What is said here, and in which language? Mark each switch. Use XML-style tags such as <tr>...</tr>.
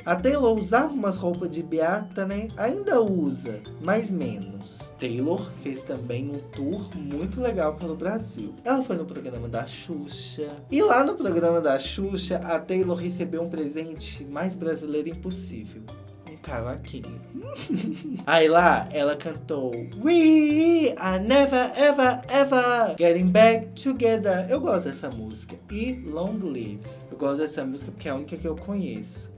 <pt>A Taylor usava umas roupas de beata, né? Ainda usa, mas menos. Taylor fez também um tour muito legal pelo Brasil. Ela foi no programa da Xuxa. E lá no programa da Xuxa, a Taylor recebeu um presente mais brasileiro impossível. Um cavaquinho. Aí lá, ela cantou</pt> <en>"We are never, ever, ever getting back together".</en> <pt>Eu gosto dessa música. E "Long Live". Eu gosto dessa música porque é a única que eu conheço.</pt>